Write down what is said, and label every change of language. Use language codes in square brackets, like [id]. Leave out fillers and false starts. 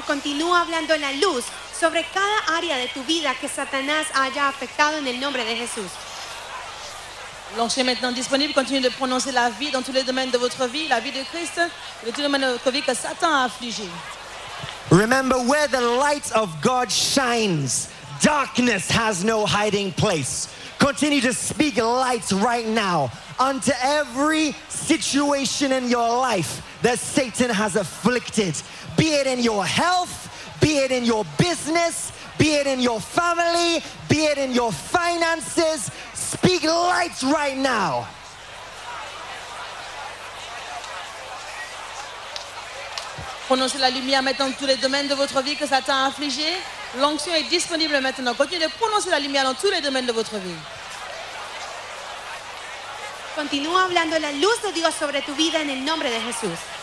[es] Continúa hablando la luz sobre cada área de tu vida que Satanás haya afectado en el nombre de Jesús. [fr] L'onction est maintenant disponible. Continue de prononcer la vie dans tous les domaines de votre vie, la vie de Christ, dans tous les domaines de votre vie que Satan a affligé. [en] Remember, where the light of God shines, darkness has no hiding place. Continue to speak light right now unto every situation in your life that Satan has afflicted. Be it in your health, be it in your business, be it in your family, be it in your finances. Speak light right now. [fr] Prononcez la lumière maintenant dans tous les domaines de votre vie que Satan a affligé. L'onction est disponible maintenant. Continuez de prononcer la lumière dans tous les domaines de votre vie. [es] Continúa hablando la luz de Dios sobre tu vida en el nombre de Jesús.